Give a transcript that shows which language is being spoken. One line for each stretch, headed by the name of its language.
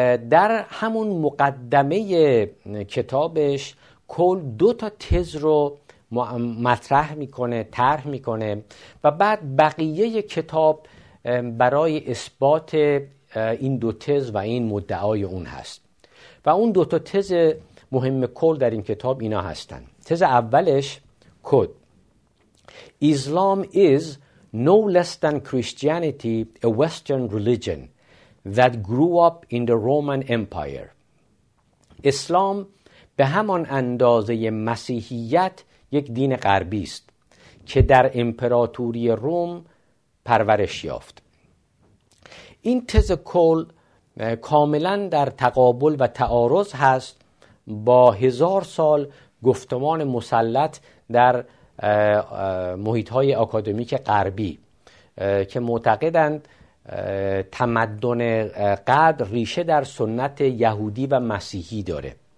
Persian: در همون مقدمه کتابش کل دو تا تز رو مطرح میکنه، طرح میکنه و بعد بقیه کتاب برای اثبات این دو تز و این مدعای اون هست. و اون دو تا تز مهم کل در این کتاب اینا هستن. تز اولش کد اسلام
English: is no less than Christianity, a Western religion that grew up in the Roman Empire.
Persian: اسلام به همان اندازه مسیحیت یک دین غربی است که در امپراتوری روم پرورش یافت. این تز کل کاملا در تقابل و تعارض هست با هزار سال گفتمان مسلط در محیط‌های آکادمیک غربی که معتقدند تمدن غرب ریشه در سنت یهودی و مسیحی داره